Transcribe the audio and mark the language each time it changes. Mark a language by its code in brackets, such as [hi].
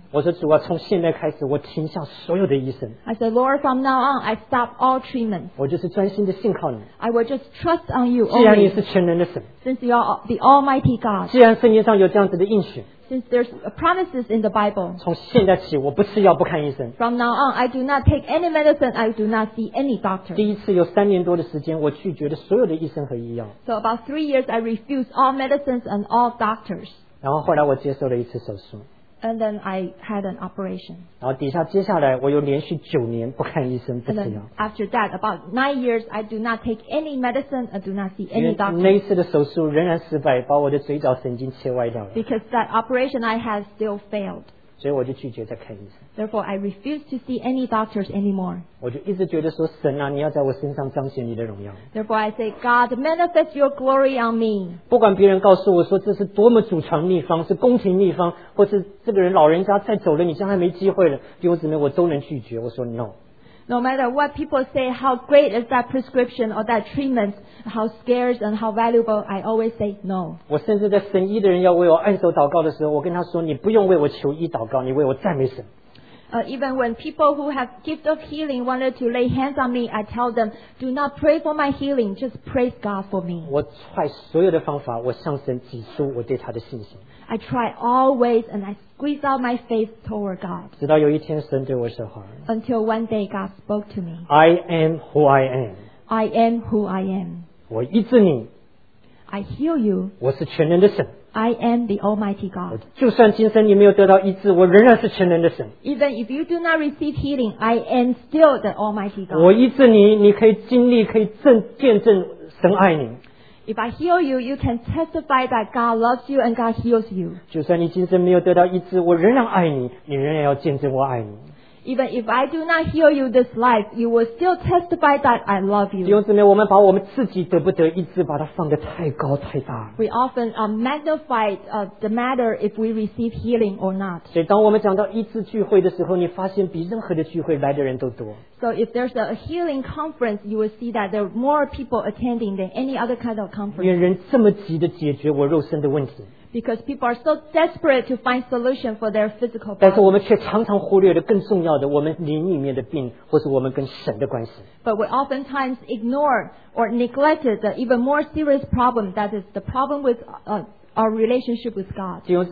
[zh] 我说主啊，从现在开始我停下所有的医生。 [en] I said, Lord, from now on, I stop all treatment. [zh] 我就是专心的信靠你。 [en] I will just trust on you only. [zh] 既然你是全能的神。 [en] Since you are the Almighty God. [zh] 既然圣经上有这样子的应许。 [en] Since there's promises in the Bible. [zh] 从现在起我不吃药不看医生。 [en] From now on, I do not take any medicine, I do not see any doctor. [zh] 第一次有三年多的时间我拒绝了所有的医生和医药。 [en] So about 3 years, I refused all medicines and all doctors. [zh] 然后后来我接受了一次手术。 [en] And then I had an operation. [zh] 然后接下来我又连续9年不看医生不吃药。 [en] And then after that, about 9 years, I do not take any medicine and do not see any doctor. [zh] 那一次的手术仍然失败，把我的嘴角神经切歪掉了。 [en] Because that operation I had still failed. [zh] 所以我就拒绝再看医生。 [en] Therefore, I refused to see any doctors anymore. [zh] 我就一直觉得说，神啊，你要在我身上彰显你的荣耀。 [en] Therefore, I say, God, manifest your glory on me. [zh] 不管别人告诉我说这是多么祖传秘方，是宫廷秘方，或是这个人老人家再走了，你将来没机会了，弟兄姊妹，我都能拒绝。我说 no. [en] No matter what people say, how great is that prescription or that treatment, how scarce and how valuable, I always say no. [zh] 我甚至在神医的人要为我按手祷告的时候，我跟他说，你不用为我求医祷告，你为我赞美神。 [en] Even when people who have gift of healing wanted to lay hands on me, I tell them, do not pray for my healing, just praise God for me. [zh] 我 try 所有的方法，我向神挤出我对他的信心。 [en] I try all ways and I squeeze out my faith toward God. [zh] 直到有一天神对我说话。 [en] Until one day God spoke to me. I am who I am. I am who I am. [zh] 我医治你。 [en] I heal you. [zh] 我是全能的神。 [en] I am the Almighty God. [zh] 就算今生你没有得到医治，我仍然是全能的神。 [en] Even if you do not receive healing, I am still the Almighty God. [zh] 我医治你，你可以经历，可以见证神爱你。 [en] If I heal you, you can testify that God loves you and God heals you. [zh] 就算你今生没有得到医治，我仍然爱你，你仍然要见证我爱你。 [en] Even if I do not heal you this life, you will still testify that I love you. [zh] 弟兄姊妹，我们把我们自己得不得医治，把它放得太高太大。 [en] We often magnify the matter if we receive healing or not. [zh] 所以当我们讲到医治聚会的时候，你发现比任何的聚会来的人都多。 [en] So if there's a healing conference, you will see that there are more people attending than any other kind of conference. [zh] 因为人这么急地解决我肉身的问题。 [en] Because people are so desperate to find solution for their physical problems. But we oftentimes ignore or neglect the even more serious problem, that is the problem with our relationship with God.